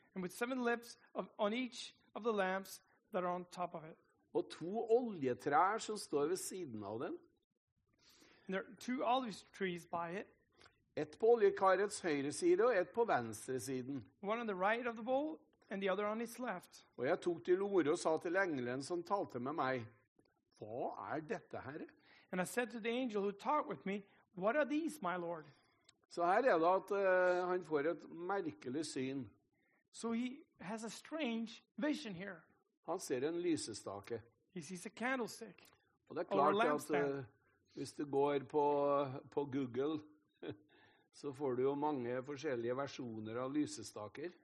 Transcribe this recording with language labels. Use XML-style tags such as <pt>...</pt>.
<en>And with 7 lips on each of the lamps that are on top of it.</en> <no>Og 2 oljetrær som står ved siden av den.</no> <en>And there are 2 olive trees by it.</en> <no>Et på oljekarets høyre side og et på venstre siden.</no> <en>One on the right of the bowl and the other on its left.</en> <no>Og jeg tok til ordet og sa til engelen som talte med meg, hva dette, Herre?</no> <en>And I said to the angel who talked with me, what are these, my Lord?</en> <no>Så her det at han får et merkelig syn.</no> <en>So he has a strange vision here.</en> <no>Han ser en lysestake.</no> <en>He sees a candlestick.</en> <no>Og det klart at hvis du går på Google, så får du jo mange forskjellige versjoner av lysestaker.</no>